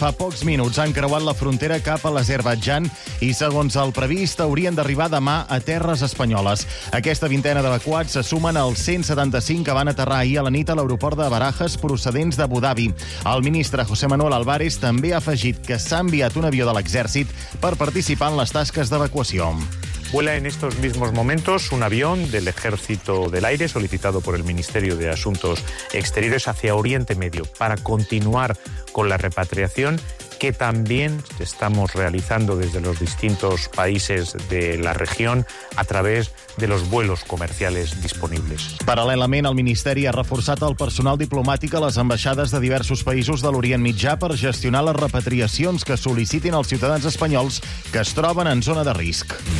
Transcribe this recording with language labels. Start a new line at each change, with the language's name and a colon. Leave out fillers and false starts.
Catalan: Fa pocs minuts han creuat la frontera cap a l'Azerbaidjan i, segons el previst, haurien d'arribar demà a terres espanyoles. Aquesta vintena d'evacuats se sumen als 175 que van aterrar ahir a la nit a l'aeroport de Barajas procedents d'Abu Dhabi. El ministre José Manuel Álvarez també ha afegit que s'ha enviat un avió de l'exèrcit per participar en les tasques d'evacuació.
Spanish: Vuela en estos mismos momentos un avión del Ejército del Aire solicitado por el Ministerio de Asuntos Exteriores hacia Oriente Medio para continuar con la repatriación que también estamos realizando desde los distintos países de la región a través de los vuelos comerciales disponibles.
Catalan: Paral·lelament, el Ministeri ha reforçat el personal diplomàtic a les ambaixades de diversos països de l'Orient Mitjà per gestionar les repatriacions que sol·licitin els ciutadans espanyols que es troben en zona de risc.